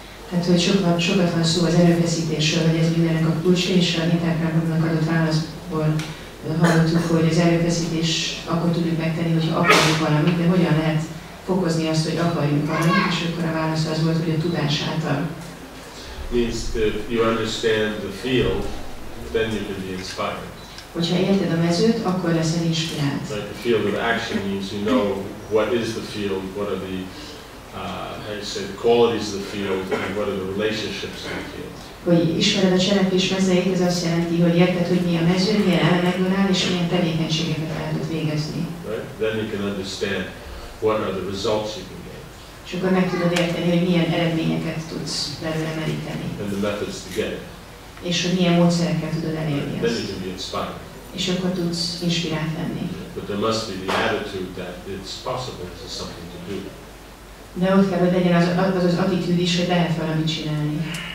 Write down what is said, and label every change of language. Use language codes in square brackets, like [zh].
[hu] Tehát, hogy sokat van szó az erőfeszítésről, hogy ez mindennek a kulcsa, és a nitákrámoknak adott válaszból hallottuk, hogy az erőfeszítés akkor tudjuk megtenni, hogyha akarjuk valamit, de hogyan lehet fokozni azt, hogy akarjuk valamit, és akkor a válasz az volt, hogy a tudás által. [en] Means that you understand the field, then you can be inspired. [hu] Hogyha érted a mezőt, akkor leszel inspirált. [en] Like the field of action means you know what is the field, what are the how you say the qualities of the field and what are the relationships in the field. [hu] Hogy ismered a cselekvés mezőjét, ez azt jelenti, hogy érted, hogy mi a mező, milyen elemekből áll és milyen tevékenységeket el tud végezni. [en] Right? Then you can understand what are the results you can get. [hu] És akkor meg tudod érteni, hogy milyen eredményeket tudsz belőle meríteni. [en] And the methods to get it. [hu] És hogy milyen módszerekkel tudod elérni azt. [en] Then you can be inspired. [hu] És akkor tudsz inspirált lenni. [en] But there must be the attitude that it's possible to something to do. [hu] De ott kell, hogy legyen az attitűd is, hogy lehet valamit csinálni.